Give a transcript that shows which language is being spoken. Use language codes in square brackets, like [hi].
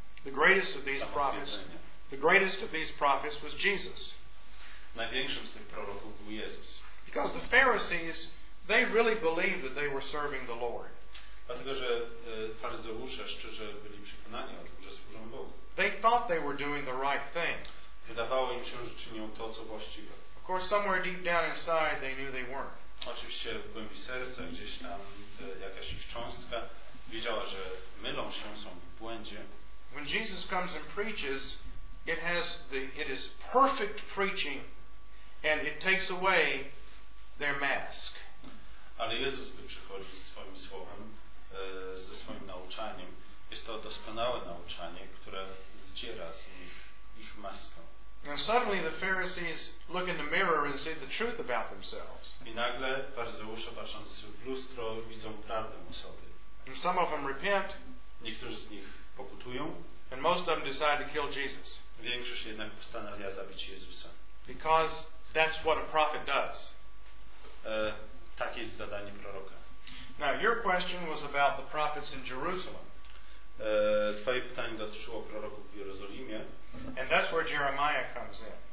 [en] The greatest of these prophets was Jesus. [pl] Największym z tych proroków był Jezus. [en] Because the Pharisees, they really believed that they were serving the Lord. [pl] Dlatego, że faryzeusze szczerze byli przekonani o tym, że służą Bogu. [en] They thought they were doing the right thing. [pl] Wydawało im się, że czynią to, co właściwe. [en] Of course, somewhere deep down inside, they knew they weren't. [pl] Oczywiście w głębi serca, gdzieś tam jakaś ich cząstka wiedziała, że mylą się, są w błędzie. [en] When Jesus comes and preaches, it is perfect preaching, and it takes away their mask. [pl] Ale Jezus, gdy przychodzi ze swoim słowem, ze swoim nauczaniem, jest to doskonałe nauczanie, które zdziera z nich ich maskę. [en] And suddenly the Pharisees look in the mirror and see the truth about themselves. [pl] I nagle faryzeusze, patrząc w lustro, widzą prawdę o sobie. [en] And some of them repent. [pl] Niektórzy z nich pokutują. [en] And most of them decide to kill Jesus. [pl] Większość jednak postanawia zabić Jezusa. [en] Because that's what a prophet does. [pl] Tak jest zadanie proroka. [en] Now your question was about the prophets in Jerusalem. [pl] Twoje pytanie dotyczyło proroków w Jerozolimie. [en] And that's where Jeremiah comes in.